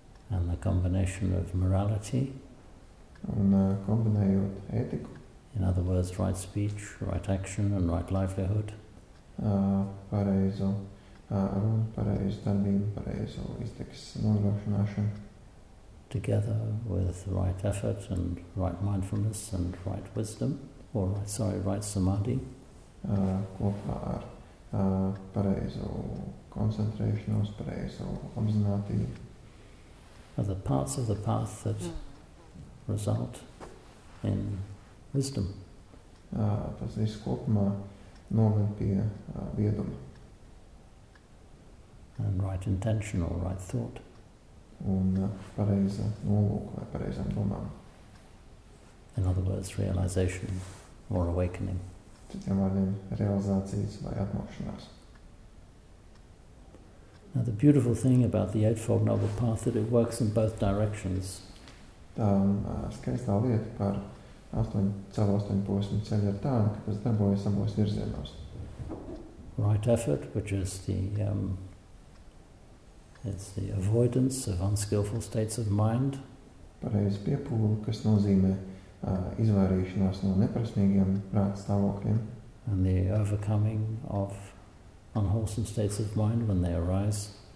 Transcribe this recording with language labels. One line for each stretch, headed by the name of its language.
English: And the combination of morality.
Latvian: Un kombinējot ētiku.
English: In other words, right speech, right action, and right livelihood.
Latvian: Pareizo runu, pareizu darbību, pareizu iztikas nodrošināšanu.
English: Together with right effort and right mindfulness and right wisdom, right samadhi.
Latvian: Kopā ar pareizu koncentrēšanos, pareizu apzinātību.
English: Are the parts of the path that result in wisdom.
Latvian: Tas viss kopumā noved pie vieduma.
English: And right intention or right thought.
Latvian: Un pareiza nolūka vai pareizām domām.
English: In other words, realization or awakening.
Latvian: Citiem vārdiem, realizācijas vai atmokšanās.
English: Now the beautiful thing about the Eightfold Noble Path that it works in both directions.
Latvian: Tā skaistā lieta par celu astoņu posmu ceļu ir tā, ka tas darbojas abos virzienos.
English: Right effort, which is the it's the avoidance of unskillful states of mind.
Latvian: Pareizi piepūli, kas nozīmē izvairīšanās no neprasmīgiem prāta stāvokļiem.
English: And the overcoming of unwholesome states of mind when they arise.